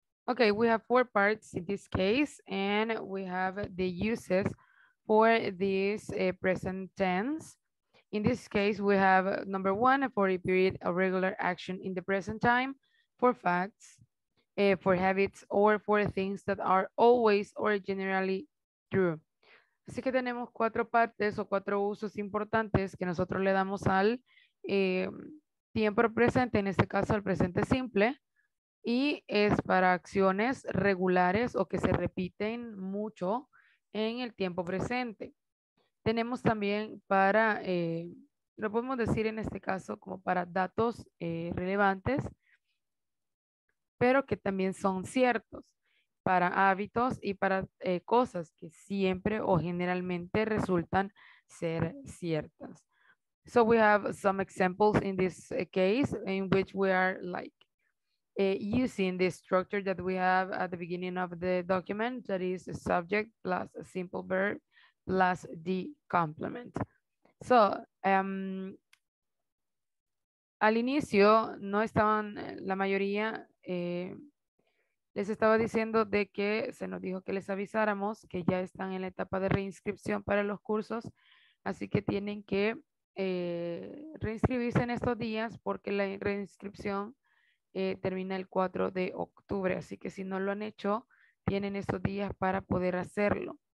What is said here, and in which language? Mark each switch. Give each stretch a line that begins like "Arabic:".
English: Okay, we have four parts in this case, and we have the uses for this present tense. In this case, we have number one, for a period of regular action in the present time, for facts, for habits, or for things that are always or generally true.
Spanish: Así que tenemos cuatro partes o cuatro usos importantes que nosotros le damos al tiempo presente, en este caso al presente simple, y es para acciones regulares o que se repiten mucho en el tiempo presente. Tenemos también para, lo podemos decir en este caso como para datos relevantes, pero que también son ciertos para hábitos y para cosas que siempre o generalmente resultan ser ciertas.
English: So we have some examples in this case in which we are like using the structure that we have at the beginning of the document, that is a subject plus a simple verb plus the complement.
Spanish: So, al inicio no estaban la mayoría, les estaba diciendo de que se nos dijo que les avisáramos que ya están en la etapa de reinscripción para los cursos, así que tienen que reinscribirse en estos días porque la reinscripción termina el 4 de octubre, así que si no lo han hecho, tienen estos días para poder hacerlo.